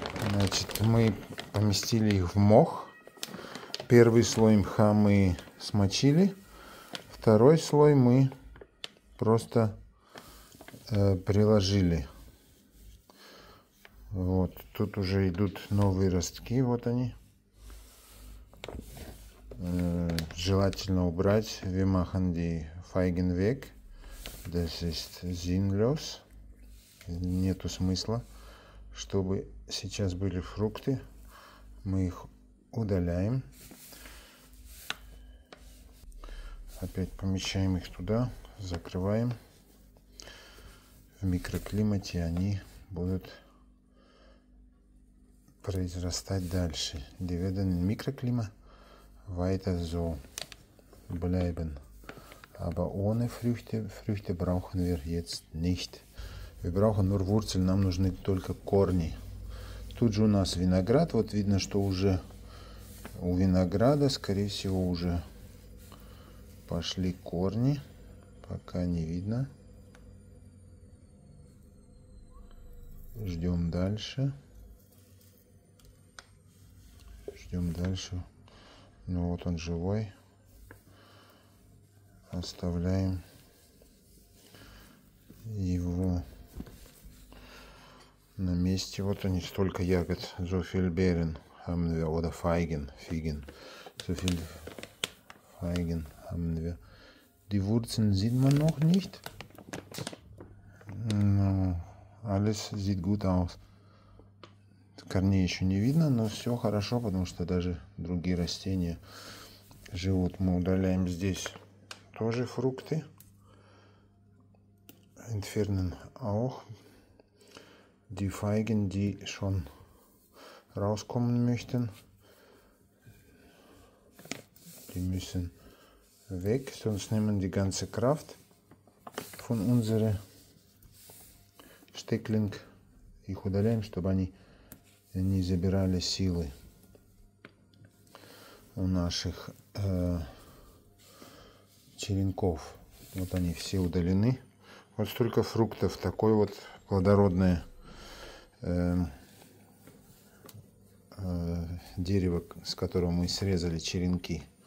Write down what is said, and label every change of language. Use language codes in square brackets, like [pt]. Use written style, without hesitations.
[ru] Значит, мы поместили их в мох. Первый слой мха мы смочили. Второй слой мы просто приложили. Вот, тут уже идут новые ростки, вот они. Желательно убрать. [de] Wir machen die Feigen weg. Das ist sinnlos. [ru] Нету смысла, чтобы сейчас были фрукты. Мы их удаляем. Опять помещаем их туда. Закрываем. В микроклимате они будут произрастать дальше. [de] Die werden in Mikroklima weiter so bleiben. Aber ohne Früchte brauchen wir jetzt nicht. Wir brauchen nur Wurzeln, [ru] нам нужны только корни. Тут же у нас виноград. Вот видно, что уже у винограда, скорее всего, уже пошли корни. Пока не видно. Ждем дальше. Ждем дальше. Ну вот он живой. Оставляем его на месте. Вот они, столько ягод. [de] So viel Beeren haben wir. Oder Feigen. Figen. So viel Feigen haben wir. Die Wurzeln sieht man noch nicht. [ru] Но [de] alles sieht gut aus. [ru] Корней еще не видно, но все хорошо, потому что даже другие растения живут. Мы удаляем здесь тоже фрукты. [de] Entfernen auch die Feigen, die schon rauskommen möchten. Die müssen weg, sonst nehmen die ganze Kraft von unserer Steckling. [ru] Их удаляем, чтобы они не забирали силы у наших черенков. Вот они все удалены. Вот столько фруктов, такой вот плодородное дерево, с которого мы срезали черенки.